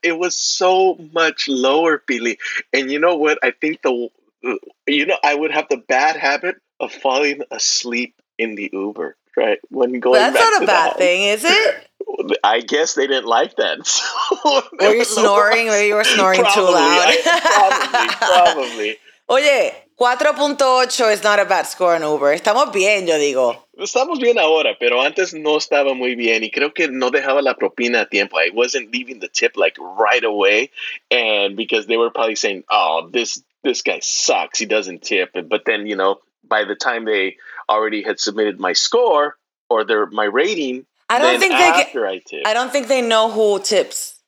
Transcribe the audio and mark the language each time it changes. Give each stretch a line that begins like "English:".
English: It was so much lower, Billy. And you know what? I think I would have the bad habit of falling asleep in the Uber, right? When going back to the house. That's not a bad thing, is it? I guess they didn't like that. Were you snoring? Maybe you were snoring too loud. Probably. Oye, 4.8 is not a bad score on Uber.
Spanish: Estamos bien, yo digo. Estamos bien ahora, pero antes no estaba muy bien. Y creo que no dejaba la propina a tiempo.
English: I wasn't leaving the tip like right away. And because they were probably saying, oh, this guy sucks. He doesn't tip. But then, you know, by the time they already had submitted my score or my rating, I don't think they know who tips.